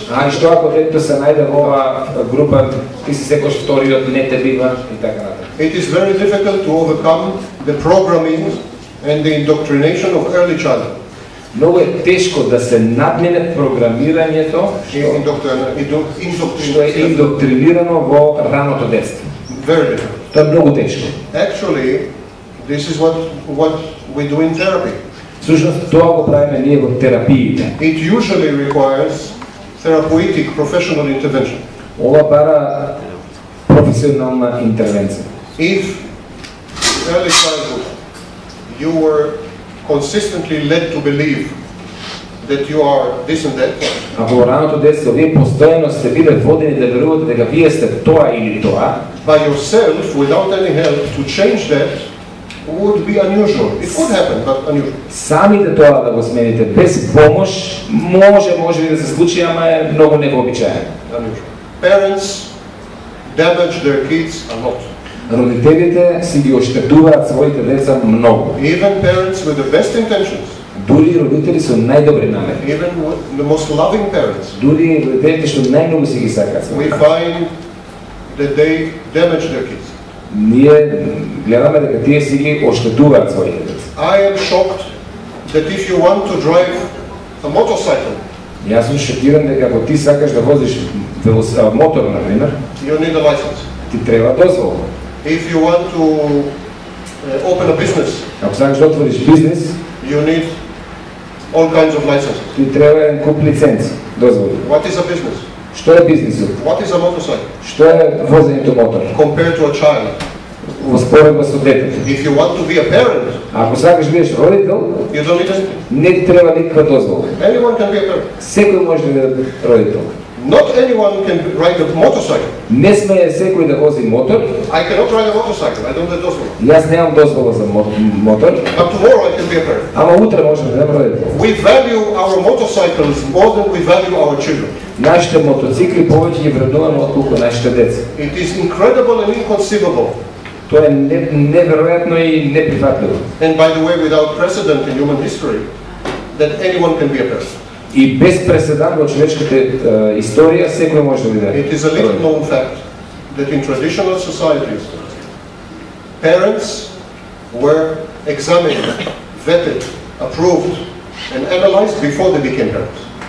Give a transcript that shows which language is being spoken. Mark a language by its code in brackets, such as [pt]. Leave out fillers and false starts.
[mk] А што ако детето се најде во ова група, ти си секој вториот не те бива и така натаму. [en] It is very difficult to overcome the programming and the indoctrination of early childhood. [mk] Многу е тешко да се надмине програмирањето што е индоктринирано во раното детство. [en] Very. [mk] Тоа е многу тешко. [en] Actually, this is what we do in therapy. [mk] Сушност, тоа го правиме ние во терапиите. [en] It usually requires therapeutic professional intervention. [mk] Ова бара професионална интервенција. [en] If early childhood you were consistently led to believe that you are this and that. [mk] Ако во раното детство вие постојано сте биле водени да верувате дека вие сте тоа или тоа, [en] by yourself without any help to change that would be unusual. It could happen, but unusual. [mk] Сами да тоа да го смените без помош може да се случи, ама е многу невообичаено. [en] Parents damage their kids a lot. [mk] Родителите си ги оштетуваат своите деца многу. [en] Even parents with the best intentions. [mk] Дури родители со најдобри намери. [en] Even the most loving parents. [mk] Дури родителите што најмногу си ги сакаат. [en] We find that they damage their kids. [mk] Ние гледаме дека тие си ги оштетуваат своите деца. [en] I am shocked that if you want to drive a motorcycle. [mk] Јас сум шокиран дека ако ти сакаш да возиш мотор на пример, [en] you need a license. [mk] Ти треба дозвола. [en] If you want to open a business. [mk] Ако сакаш да отвориш бизнес, [en] you need all kinds of licenses. [mk] Ти треба да купи лиценц, дозвола. [en] What is a business? [mk] Што е бизнисот? [en] What is a motorcycle? [mk] Што е возењето мотор? [en] Compared to a child. [mk] Во споредба со дете. [en] If you want to be a parent. [mk] Ако сакаш бидеш родител, [en] you don't need a... [mk] не ти треба никаква дозвола. [en] Anyone can be a parent. [mk] Секој може да биде родител. [en] Not anyone can ride a motorcycle. [mk] Не смее секој да вози мотор. [en] I cannot ride a motorcycle. I don't have дозвола. [mk] Јас немам дозвола за мотор. [en] But tomorrow I can be a parent. [mk] Ама утре може да бидам родител. [en] We value our motorcycles more than we value our children. [mk] Нашите мотоцикли повеќе ги вредуваме отколку нашите деца. [en] It is incredible and inconceivable. [mk] Тоа е неверојатно и неприфатливо. [en] And by the way, without precedent in human history, that anyone can be a parent. [mk] И без преседан во човечката историја секој може да биде. [en] It is a little known fact that in traditional societies parents were examined, vetted, approved and analyzed before they became parents.